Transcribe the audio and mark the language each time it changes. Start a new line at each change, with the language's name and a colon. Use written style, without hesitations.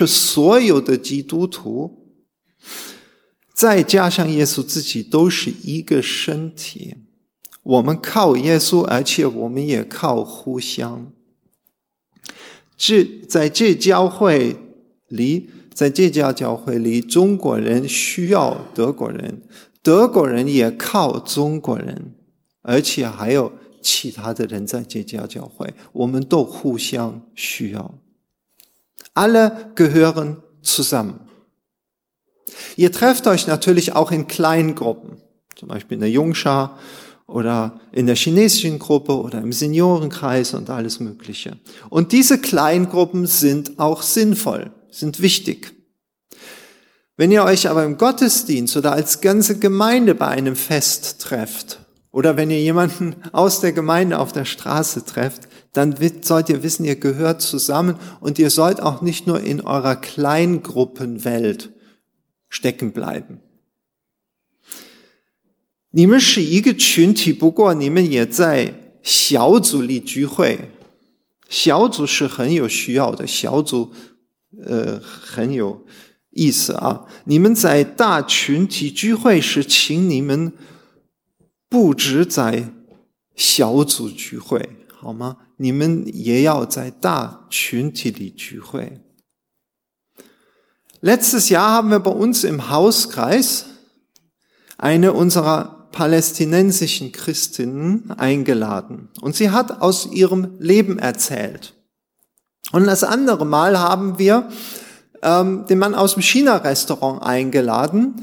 Chinese: 在身体的比方里，我们就不能把基督和教会分开，也不能把四肢从彼此之间分离出来。整个教会就是所有的基督徒。再加上耶稣自己都是一个身体，我们靠耶稣，而且我们也靠互相。在这教会里，在这家教会里，中国人需要德国人，德国人也靠中国人，而且还有其他的人在这家教会，我们都互相需要。
German: Alle gehören zusammen. Ihr trefft euch natürlich auch in kleinen Gruppen, zum Beispiel in der Jungscha oder in der chinesischen Gruppe oder im Seniorenkreis und alles Mögliche. Und diese kleinen Gruppen sind auch sinnvoll, sind wichtig. Wenn ihr euch aber im Gottesdienst oder als ganze Gemeinde bei einem Fest trefft oder wenn ihr jemanden aus der Gemeinde auf der Straße trefft, dann sollt ihr wissen, ihr gehört zusammen und ihr sollt auch nicht nur in eurer Kleingruppenwelt stecken bleiben.
Chinese: 你们是一个群体，不过你们也在小组里聚会。小组是很有需要的，小组很有意思啊。你们在大群体聚会时，请你们不止在小组聚会，好吗？你们也要在大群体里聚会。
German: Letztes Jahr haben wir bei uns im Hauskreis eine unserer palästinensischen Christinnen eingeladen. Und sie hat aus ihrem Leben erzählt. Und das andere Mal haben wir den Mann aus dem China-Restaurant eingeladen.